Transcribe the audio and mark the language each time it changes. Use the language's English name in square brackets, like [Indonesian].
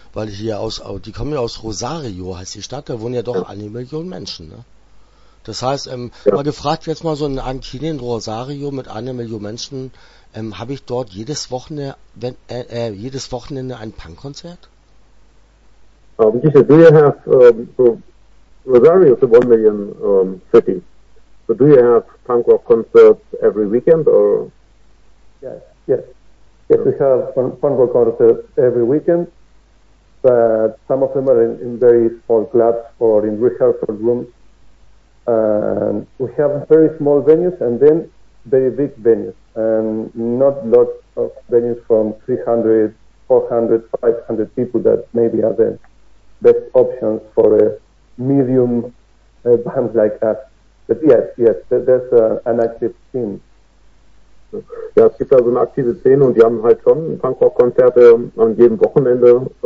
[German] Weil hier aus, die kommen ja aus Rosario, heißt die Stadt, da wohnen ja doch eine Million Menschen, ne? Das heißt, mal gefragt jetzt mal so in Argentinien, Rosario mit einer Million Menschen, habe ich dort jedes Wochenende, jedes Wochenende ein Punkkonzert? [English] You said, do you have, Rosario is a 1 million city. So do you have Punkrock concerts every weekend or? Yes, we have punk rock concerts every weekend, but some of them are in very small clubs or in rehearsal rooms. We have very small venues and then very big venues, and not lots of venues from 300, 400, 500 people that maybe are the best options for a medium band like us. But yes, there's an active scene. [German] Ja, es gibt also eine aktive Szene und die haben halt schon Punkrock-Konzerte an jedem Wochenende.